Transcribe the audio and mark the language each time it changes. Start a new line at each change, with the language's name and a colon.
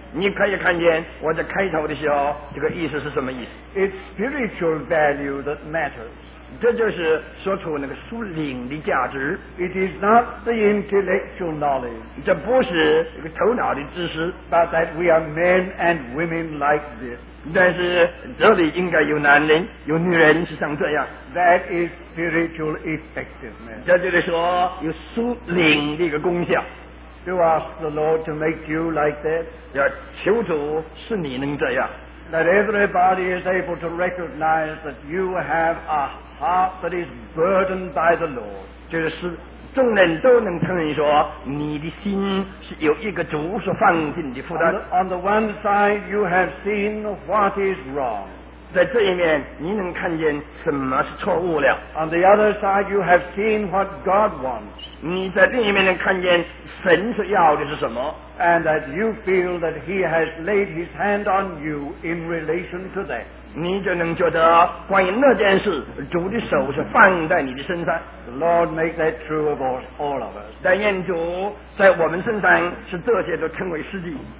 Chinese: 你可以看见我在开头的时候这个意思是什么意思。
English: It's spiritual value that matters.
Chinese: 这就是说出那个属灵的价值。
English: It is not the intellectual knowledge.
Chinese: 这不是一个头脑的知识。
English: But that we are men and women like this.
Chinese: 但是这里应该有男人有女人是像这样。
English: That is spiritual effectiveness.
Chinese: 这就是说有属灵的一个功效。
English: To ask the Lord to make you like that.
Chinese: 要求主是你能这样。
English: That everybody is able to recognize that you have a heart that is burdened by the Lord.
Chinese: 就是众人都能承认说你的心是有一个主所放进的负担。
English: On the one side, you have seen what is wrong.
Chinese: 在这一面你能看见什么是错误了。
English: On the other side, you have seen what God wants.
Chinese: 你在另一面能看见神所要的是什么。
English: And that you feel that he has laid his hand on you in relation to that.
Chinese: 你就能觉得关于那件事主的手是放在你的身上。
English: The Lord make that true of all of us.
Chinese: 但愿主在我们身上使这些都成为实际。